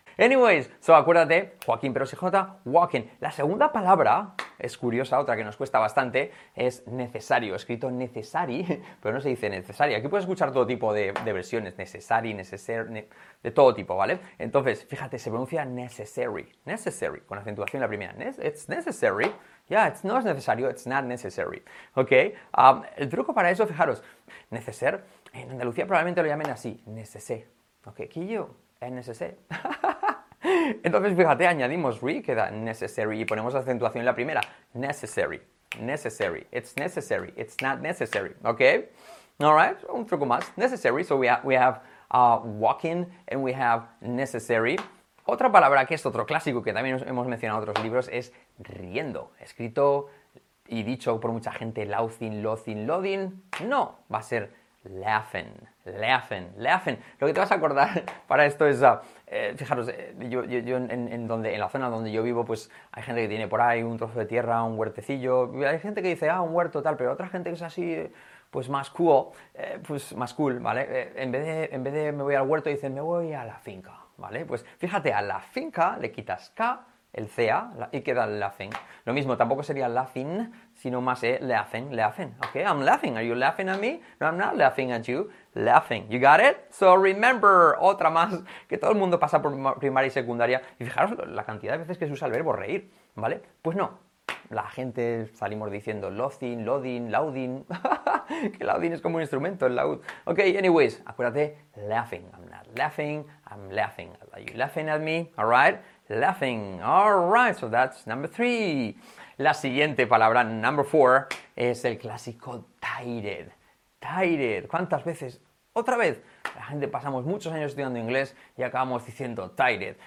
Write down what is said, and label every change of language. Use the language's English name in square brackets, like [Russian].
[English] Anyways, so [Spanish] acuérdate, Joaquín, pero si J, walking. La segunda palabra es curiosa, otra que nos cuesta bastante, es necesario. Escrito necessary, pero no se dice necessary. Aquí puedes escuchar todo tipo de versiones, necessary, necessary, de todo tipo, ¿vale? Entonces, fíjate, se pronuncia necessary, necessary, con acentuación la primera. [English] It's necessary. Yeah, it's not necessary, it's not necessary. [Spanish] ¿Ok? El truco para eso, fijaros, neceser, en Andalucía probablemente lo llamen así, necesé. ¿Ok? ¿Qué yo? Es necesé. Entonces, fíjate, añadimos re, queda necessary, y ponemos acentuación en la primera. [English] Necessary, necessary, it's necessary, it's not necessary. ¿Ok? Alright, [Spanish] un truco más. [English] Necessary, so we have walking and we have necessary. [Spanish] Otra palabra que es otro clásico que también hemos mencionado en otros libros es riendo. Escrito y dicho por mucha gente laughing, lothing, loading. No, va a ser laughing, laughing, laughing. Lo que te vas a acordar para esto es, fijaros, yo en la zona donde yo vivo, pues hay gente que tiene por ahí un trozo de tierra, un huertecillo. Hay gente que dice, un huerto tal, pero otra gente que es así, pues más cool, ¿vale? En vez de me voy al huerto, dicen me voy a la finca. ¿Vale? Pues fíjate, a la finca le quitas K, el CA, y queda laughing. Lo mismo, tampoco sería laughing, sino más laughing, laughing. [English] Okay, I'm laughing, are you laughing at me? No, I'm not laughing at you, laughing. You got it? So remember, [Spanish] otra más, que todo el mundo pasa por primaria y secundaria. Y fijaros la cantidad de veces que se usa el verbo reír, ¿vale? Pues no, la gente salimos diciendo laughing, loading, louding. Que laughing es como un instrumento, el laúd. [English] Ok, anyways, [Spanish] acuérdate, laughing. [English] I'm not laughing, I'm laughing. Are you laughing at me? All right? Laughing. All right, so that's number 3. [Spanish] La siguiente palabra, [English] number 4, [Spanish] es el clásico tired. Tired. ¿Cuántas veces? ¡Otra vez! La gente pasamos muchos años estudiando inglés y acabamos diciendo tired.